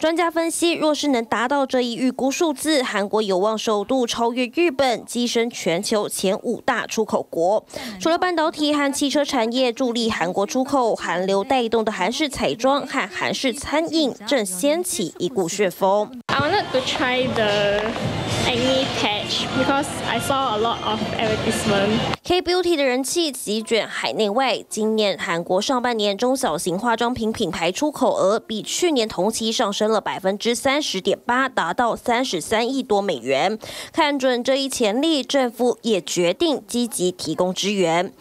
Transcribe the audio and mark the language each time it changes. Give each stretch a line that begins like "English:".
Chinese: 专家分析，若是能达到这一预估数字，韩国有望首度超越日本，跻身全球前五大出口国。除了半导体和汽车产业助力韩国出口，韩流带动的韩式彩妆和韩式餐饮正掀起一股旋风。
English: I wanted to try the acne patch because I saw a lot of advertisement.
Chinese: K Beauty 的人气席卷海内外，今年韩国上半年中小型化妆品品牌出口额比去年同期上升了30.8%，达到33亿多美元。看准这一潜力，政府也决定积极提供支援。